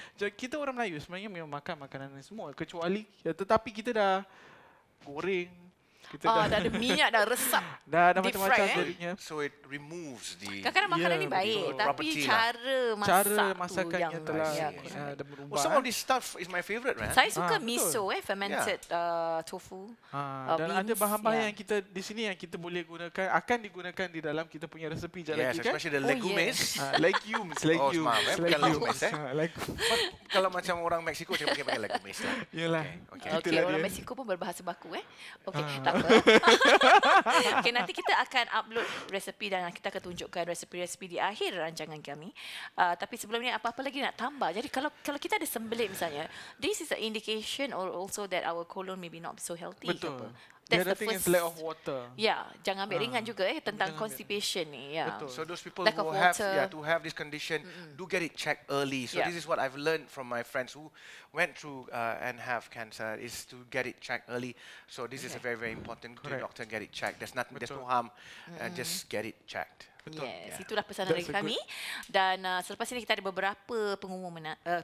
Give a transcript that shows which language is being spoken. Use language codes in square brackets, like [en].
[ms] Jadi kita orang Melayu sebenarnya memang makan makanan ni semua. Kecuali, tetapi kita dah goreng, Kita dah ada minyak dah resap. Dah macam-macam jadinya. [en] So it removes the... [ms] Kadang-kadang makanan ni baik, tapi cara masak masakannya telah berubah. [en] Some of this stuff is my favourite, man. [ms] Saya suka miso, fermented tofu. Dan ada bahan-bahan yang kita di sini yang kita boleh gunakan, akan digunakan di dalam kita punya resepi jalan lagi, kan? [en] Yes, especially the legumes. Legumes. [ms] Kalau macam orang Mexico, saya pakai legumes lah. Yelah. Okay, orang Mexico pun berbahasa baku, eh? Okay, takpe. Okay, nanti kita akan upload resepi dan kita akan tunjukkan resepi-resepi di akhir rancangan kami. Tapi sebelum ni, apa-apa lagi nak tambah? Jadi, kalau kita ada sembelit misalnya, [en] this is an indication or also that our colon maybe not so healthy. [ms] Betul. [en] That's the other thing, first, is lack of water. [ms] Yeah, jangan ambil ringan juga tentang constipation ni. Yeah. Betul. [en] So those people who have to have this condition, do get it checked early. So this is what I've learned from my friends who went through and have cancer, is to get it checked early. So this is a very, very important to the doctor, get it checked. There's nothing, there's no harm. Just get it checked. [ms] Yes, itulah pesanan dari kami. Dan selepas ini kita ada beberapa pengumuman.